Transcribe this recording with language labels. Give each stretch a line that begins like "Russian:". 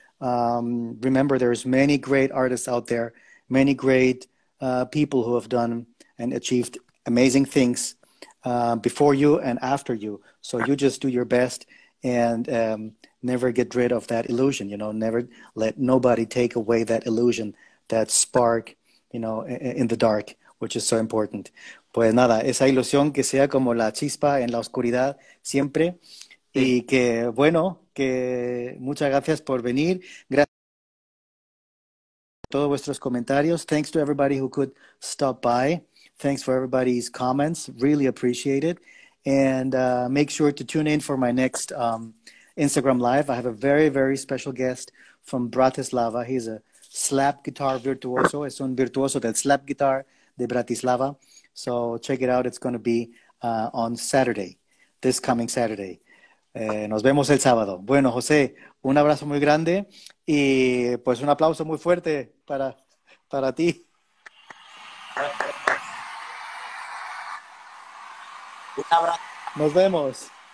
English: Remember, there's many great artists out there. Many great people who have done and achieved amazing things before you and after you. So you just do your best and never get rid of that illusion. You know, never let nobody take away that illusion, that spark, you know, in the dark, which is so important.
Spanish: Pues nada, esa ilusión que sea como la chispa en la oscuridad siempre. Y que bueno, que muchas gracias por venir. Gracias. Todos vuestros comentarios.
English: Thanks to everybody who could stop by. Thanks for everybody's comments. Really appreciate it. And make sure to tune in for my next Instagram Live. I have a very, very special guest from Bratislava. He's a slap guitar virtuoso.
Spanish: Es un virtuoso del slap guitar de Bratislava.
English: So check it out. It's going to be on Saturday, this coming Saturday.
Spanish: Nos vemos el sábado. Bueno, José, un abrazo muy grande y pues un aplauso muy fuerte para ti. Un abrazo. Nos vemos.